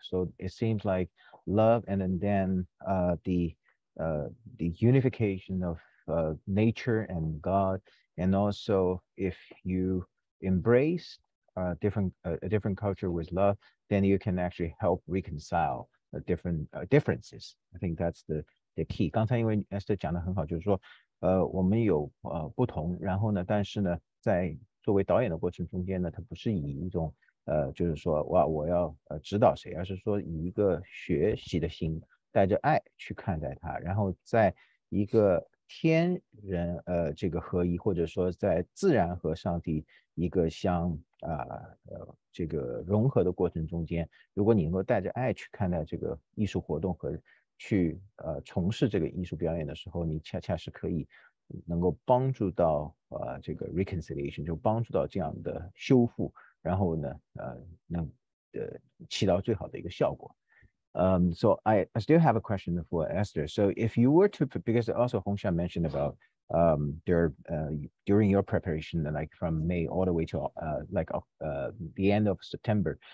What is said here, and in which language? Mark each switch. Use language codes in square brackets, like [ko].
[en] So it seems like love and then the unification of nature and God, and also if you embrace a different culture with love, then you can actually help reconcile the different differences. I think that's the key. [zh] 刚才因为 Esther 讲得很好，就是说， 我们有不同，然后呢，但是呢，在作为导演的过程中间呢， 它不是以一种， 就是说哇，我要指导谁， 而是说以一个学习的心， 带着爱去看待它，然后在一个天人这个合一，或者说在自然和上帝一个相这个融合的过程中间，如果你能够带着爱去看待这个艺术活动和去从事这个艺术表演的时候，你恰恰是可以能够帮助到这个 reconciliation， 就帮助到这样的修复，然后呢，能起到最好的一个效果。 [en] So I still have a question for Esther. So if you were to, because also Hongxia mentioned about during your preparation, like from May all the way to the end of September.